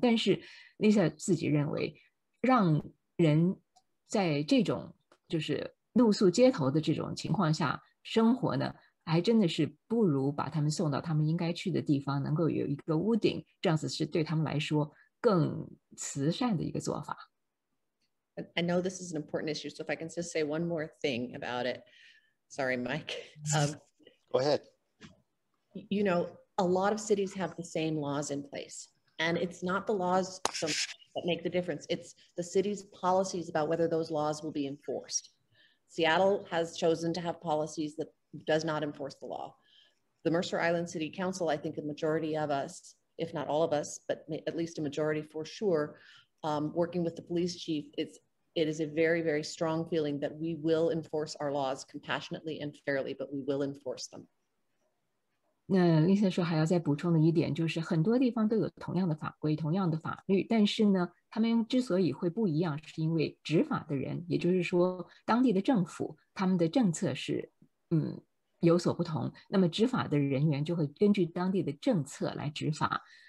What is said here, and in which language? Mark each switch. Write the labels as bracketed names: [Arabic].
[Chinese] 但是 Lisa 自己认为，让人在这种就是露宿街头的这种情况下生活呢，还真的是不如把他们送到他们应该去的地方，能够有一个屋顶，这样子是对他们来说更慈善的一个做法。 [English] I know this is an important issue, so if I can just say one more thing about it. Sorry, Mike. Go ahead. You know, a lot of cities have the same laws in place, and it's not the laws that make the difference. It's the city's policies about whether those laws will be enforced. Seattle has chosen to have policies that does not enforce the law. The Mercer Island City Council, I think a majority of us, if not all of us, but at least a majority for sure, working with the police chief, it is a very, very strong feeling that we will enforce our laws compassionately and fairly, but we will enforce them. [Chinese] 那 Lisa 说还要再补充的一点就是，很多地方都有同样的法规、同样的法律，但是呢，他们之所以会不一样，是因为执法的人，也就是说当地的政府，他们的政策是有所不同，那么执法的人员就会根据当地的政策来执法。